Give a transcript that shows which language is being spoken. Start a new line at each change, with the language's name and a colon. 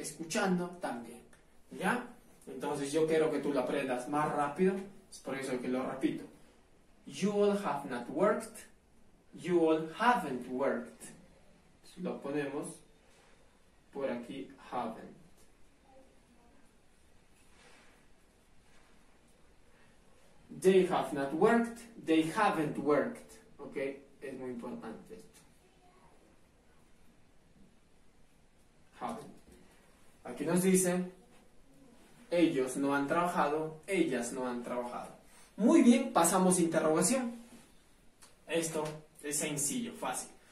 Spanish: Escuchando, también. ¿Ya? Entonces yo quiero que tú lo aprendas más rápido. Es por eso que lo repito.
English: You all have not worked. You all haven't worked.
Spanish: Lo ponemos por aquí,
English: haven't. They have not worked, they haven't worked.
Spanish: Ok, es muy importante esto. Haven't. Aquí nos dice, ellos no han trabajado, ellas no han trabajado. Muy bien, pasamos a interrogación. Esto es sencillo, fácil.